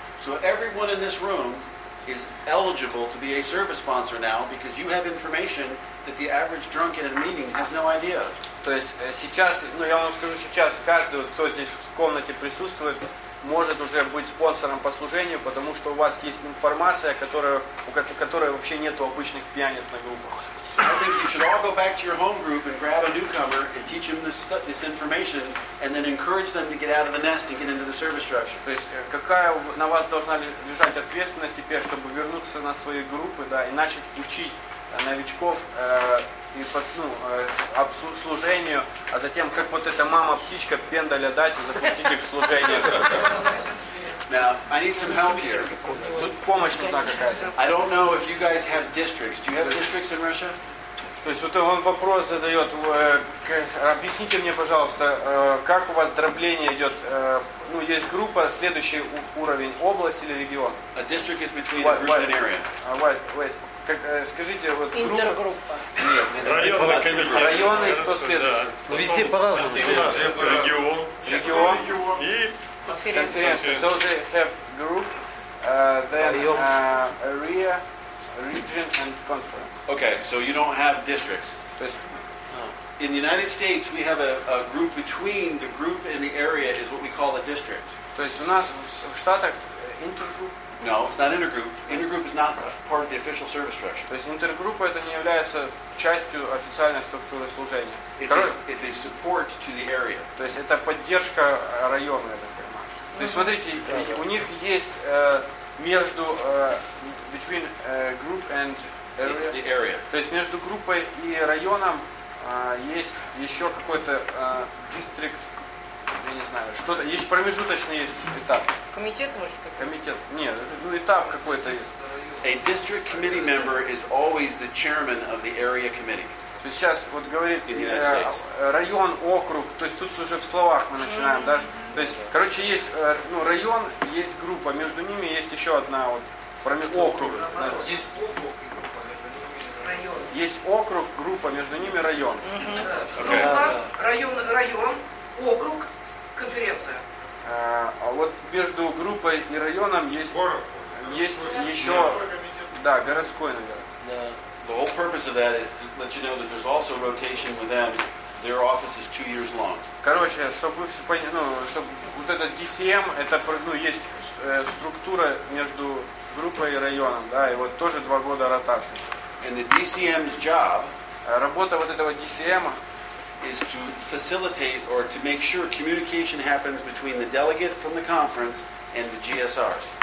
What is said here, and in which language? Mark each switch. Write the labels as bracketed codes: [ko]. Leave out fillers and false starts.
[en] So everyone in this room is eligible to be a service sponsor now because you have information that the average drunk in a meeting has no idea. [ru] То есть сейчас, ну я вам скажу сейчас, каждый, кто здесь в комнате присутствует. Может уже быть спонсором по служению, потому что у вас есть информация, которой вообще нету обычных пьяниц на группах. [en] I think you should all go back to your home group and grab a newcomer and teach him this information and then encourage them to get out of the nest and get into the service structure. [ru] То есть какая на вас должна лежать ответственность теперь, чтобы вернуться на свои группы, да, и начать учить новичков и ну, служению, а затем как вот эта мама птичка пендаля дать и запустить их в служение. [en] Now, I need some help here. [ru] Тут помощь нужна какая-то. [en] I don't know if you guys have districts. Do you have districts in Russia? [ru] То есть вот он вопрос задает, объясните мне, пожалуйста, как у вас дробление идет? Ну, есть группа, следующий уровень, область или регион? [en] A district is between what, a group and area. [ru] Скажите, вот интергруппа. Нет, нет, районы и кто следующий? Да. Везде по-разному. Регион. И конференция. [en] So they have group, then area, region and conference. Okay, so you don't have districts. In the United States, we have a group between the group and the area is what we call a district. [ru] То есть у нас в Штатах интергрупп? [en] No, it's not intergroup. Intergroup is not a part of the official service structure. [ru] То есть интергруппа это не является частью официальной структуры служения. [en] It's a support to the area. [ru] То есть это поддержка района, я так понимаю. То есть смотрите, у них есть между [en] between group and area. The area. [ru] То есть между группой и районом есть еще какой-то district. Я не знаю, что-то есть промежуточный есть этап. Комитет может какой-то? Комитет. Нет, ну этап какой-то есть. [en] A district committee member is always the chairman of the area committee. [ru] То есть сейчас вот говорит район, округ, то есть тут уже в словах мы начинаем, mm-hmm. даже. То есть, короче, есть ну, район, есть группа, между ними есть еще одна вот округ. Есть округ. Район. Есть округ, группа, между ними район. Mm-hmm. Группа, район, округ. Конференция. А вот между группой и районом есть город. Есть городской. Еще да, городской, наверное. [en] Yeah. The whole purpose of that is to let you know that there's also rotation with them. Their office is 2 years long. [ru] Короче, чтобы вы поняли, ну, чтобы вот этот DCM, это ну, есть структура между группой и районом, да, и вот тоже 2 года ротации. [en] And the DCM's job. [ru] Работа вот этого DCM. [en] Is to facilitate or to make sure communication happens between the delegate from the conference and the GSRs.